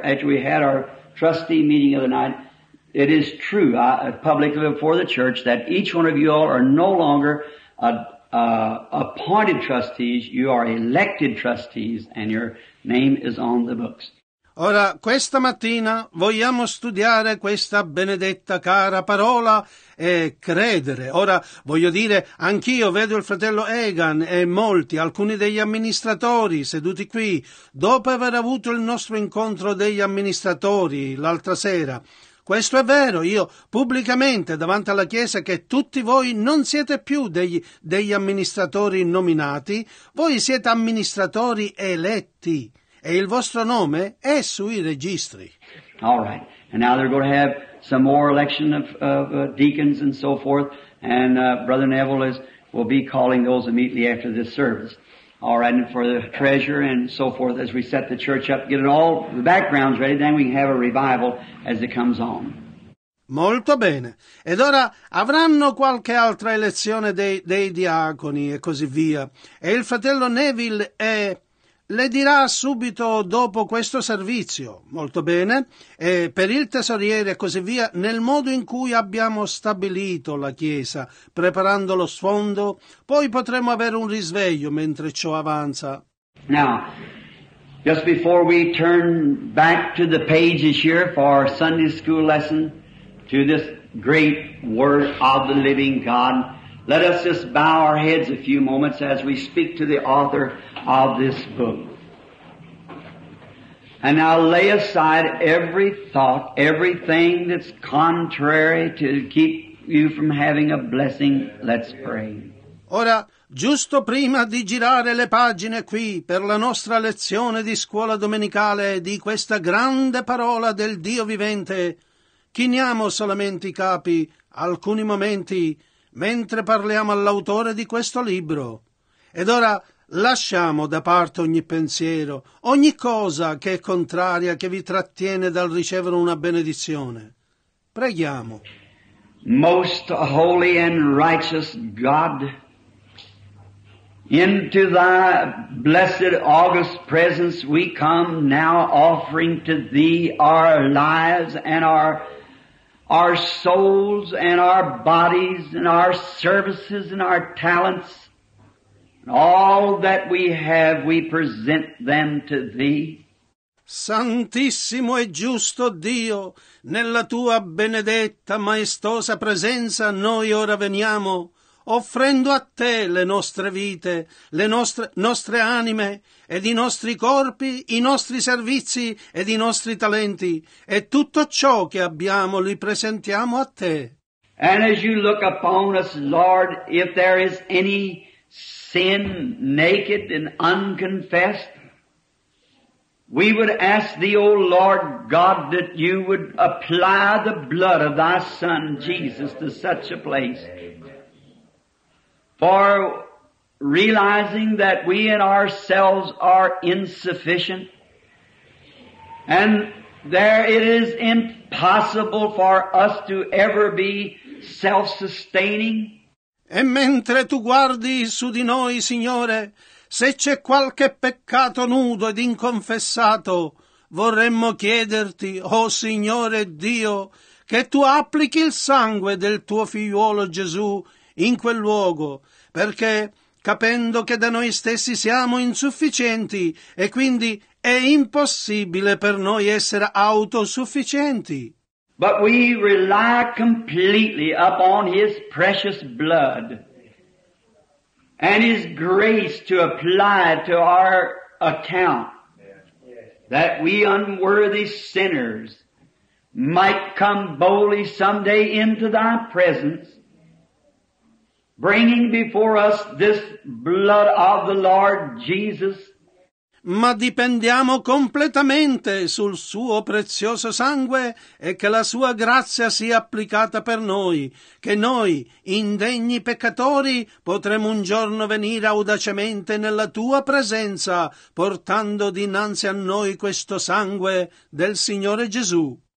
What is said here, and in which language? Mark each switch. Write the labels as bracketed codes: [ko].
[en] As we had our trustee meeting the other night, it is true publicly before the church that each one of you all are no longer appointed trustees. You are elected trustees and your name is on the books. [it] Ora, questa mattina vogliamo studiare questa benedetta cara parola e credere. Ora, voglio dire, anch'io vedo il fratello Egan e molti, alcuni degli amministratori seduti qui, dopo aver avuto il nostro incontro degli amministratori l'altra sera. Questo è vero, io pubblicamente davanti alla Chiesa che tutti voi non siete più degli amministratori nominati, voi siete amministratori eletti. E il vostro nome è sui registri. [en] All right. And now they're going to have some more election of deacons and so forth. And Brother Neville will be calling those immediately after this service. All right. And for the treasurer and so forth as we set the church up, get it all the backgrounds ready, then we can have a revival as it comes on. [it] Molto bene. Ed ora avranno qualche altra elezione dei diaconi e così via. E il fratello Neville è... Le dirà subito dopo questo servizio, molto bene, per il tesoriere e così via, nel modo in cui abbiamo stabilito la Chiesa, preparando lo sfondo, poi potremo avere un risveglio mentre ciò avanza. [en] Now, just before we turn back to the pages here for our Sunday school lesson, to this great word of the living God, let us just bow our heads a few moments as we speak to the author of this book. And now lay aside every thought, everything that's contrary to keep you from having a blessing. Let's pray. [it] Ora, giusto prima di girare le pagine qui per la nostra lezione di scuola domenicale di questa grande parola del Dio vivente, chiniamo solamente i capi alcuni momenti mentre parliamo all'autore di questo libro. Ed ora lasciamo da parte ogni pensiero, ogni cosa che è contraria, che vi trattiene dal ricevere una benedizione. Preghiamo. [en] Most holy and righteous God, into thy blessed august presence we come now offering to thee our lives and our souls and our bodies and our services and our talents, and all that we have, we present them to Thee. [it] Santissimo e giusto Dio, nella Tua benedetta maestosa presenza noi ora veniamo, offrendo a Te le nostre vite, le nostre anime, ed i nostri corpi, i nostri servizi, ed i nostri talenti, e tutto ciò che abbiamo li presentiamo a Te. [en] And as you look upon us, Lord, if there is any sin naked and unconfessed, we would ask Thee, O Lord God, that You would apply the blood of Thy Son, Jesus, to such a place. For realizing that we in ourselves are insufficient, and there it is impossible for us to ever be self-sustaining. [it] E mentre tu guardi su di noi, Signore, se c'è qualche peccato nudo ed inconfessato, vorremmo chiederti, oh Signore Dio, che tu applichi il sangue del tuo figliuolo Gesù in quel luogo, perché, capendo che da noi stessi siamo insufficienti e quindi è impossibile per noi essere autosufficienti. [en] But we rely completely upon His precious blood and His grace to apply to our account that we unworthy sinners might come boldly someday into Thy presence, bringing before us this blood of the Lord Jesus. [it] ma dipendiamo completamente sul suo prezioso sangue e che la sua grazia sia applicata per noi, che noi, indegni peccatori, potremo un giorno venire audacemente nella tua presenza, portando dinanzi a noi questo sangue del Signore Gesù.